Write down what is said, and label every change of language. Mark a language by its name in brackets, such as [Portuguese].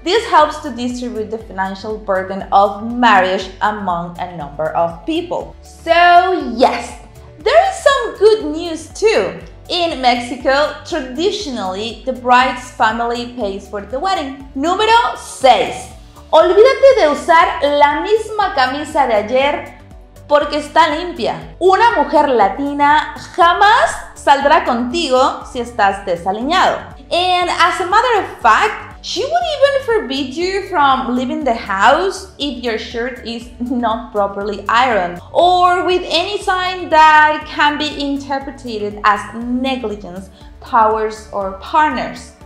[English] This helps to distribute the financial burden of marriage among a number of people. So yes, there is some good news too. In Mexico, traditionally, the bride's family pays for the wedding. [Spanish] Número 6. Olvídate de usar la misma camisa de ayer porque está limpia. Una mujer latina jamás saldrá contigo si estás desaliñado. [English] And as a matter of fact, she would even forbid you from leaving the house if your shirt is not properly ironed or with any sign that can be interpreted as negligence towards our partners.